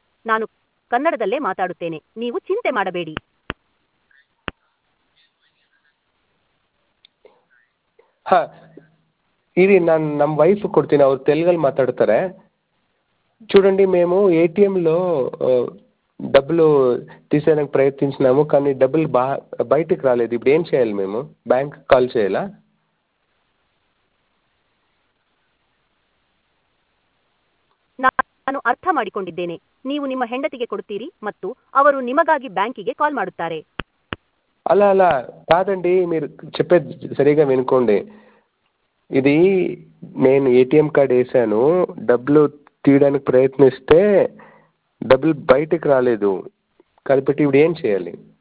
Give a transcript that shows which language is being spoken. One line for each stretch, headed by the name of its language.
Kannada: ನಾನು ಕನ್ನಡದಲ್ಲೇ ಮಾತಾಡುತ್ತೇನೆ, ನೀವು ಚಿಂತೆ ಮಾಡಬೇಡಿ. ಹಾ, ಇರಿ, ನಾನು ನಮ್ಮ ವೈಫ್ ಕೊಡ್ತೀನಿ, ಅವ್ರು ತೆಲುಗಲ್ಲಿ ಮಾತಾಡ್ತಾರೆ।
Telugu: ಚೂಡಂಡಿ, ಮೇಮು ATMలో డబ్బులు తీసేయడానికి ప్రయత్నించినాము కానీ డబ్బులు బయటికి రాలేదు। ఇప్పుడు ఏం చేయాలి మేము? బ్యాంక్ కాల్ చేయాలా?
Kannada: ನಾನು ಅರ್ಥ ಮಾಡಿಕೊಂಡಿದ್ದೇನೆ, ನೀವು ನಿಮ್ಮ ಹೆಂಡತಿಗೆ ಕೊಡುತ್ತೀರಿ ಮತ್ತು ಅವರು ನಿಮಗಾಗಿ ಬ್ಯಾಂಕಿಗೆ ಕಾಲ್ ಮಾಡುತ್ತಾರೆ. ಅಲ್ಲ ಅಲ್ಲ,
Telugu: ಕಾದಂಡಿ, ಮೀರು చెప్పేది సరిగా వినుకోండి। ఇది నేను ఏటీఎం కార్డ్ వేసాను, డబ్బులు తీయడానికి ప్రయత్నిస్తే డబ్బులు బయటకు రాలేదు, కలిపెట్టి ఇప్పుడు ఏం చేయాలి?